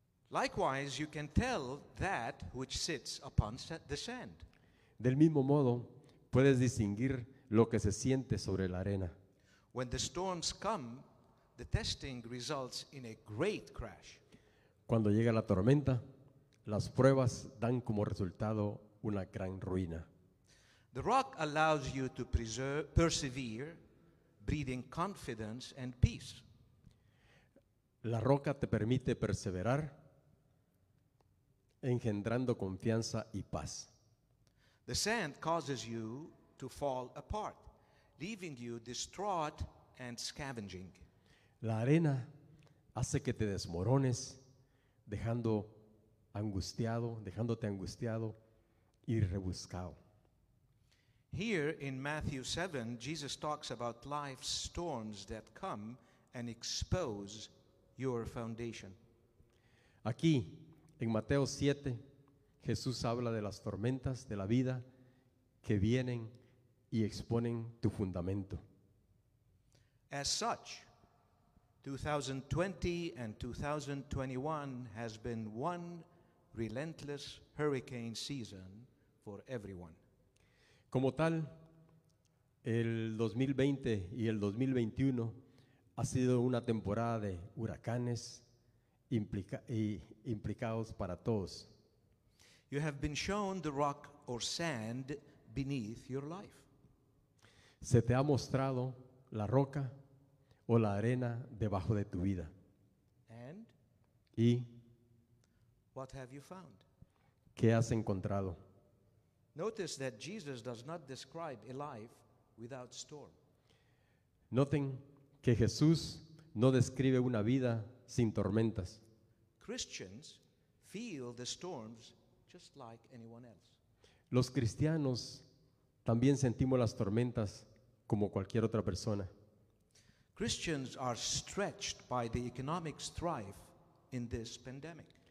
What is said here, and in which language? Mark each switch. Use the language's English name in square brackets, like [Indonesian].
[English] Likewise, you can tell that which sits upon the sand. [Spanish] Del mismo modo, puedes distinguir lo que se siente sobre la arena. [English] When the storms come, the testing results in a great crash. [Spanish] Cuando llega la tormenta, las pruebas dan como resultado una gran ruina. [English] The rock allows you to persevere, breeding confidence and peace. [Spanish] La roca te permite perseverar, engendrando confianza y paz. [English] The sand causes you to fall apart, leaving you distraught and scavenging. [Spanish] La arena hace que te desmorones, dejándote angustiado y rebuscado. [English] Here in Matthew 7, Jesus talks about life's storms that come and expose your foundation. [Spanish] Aquí, en Mateo 7, Jesús habla de las tormentas de la vida que vienen y exponen tu fundamento. [English] As such, 2020 and 2021 has been one relentless hurricane season for everyone. [Spanish] Como tal, el 2020 y el 2021 ha sido una temporada de huracanes implicados para todos. [English] You have been shown the rock or sand beneath your life. [Spanish] Se te ha mostrado la roca o la arena debajo de tu vida. [English] And? [Spanish] Y? [English] What have you found? [Spanish] ¿Qué has encontrado? [English] Notice that Jesus does not describe a life without storm. [Spanish] Noten que Jesús no describe una vida sin tormentas. [English] Christians feel the storms just like anyone else. [Spanish] Los cristianos también sentimos las tormentas como cualquier otra persona. [English] Christians are stretched by the economic strife in this pandemic.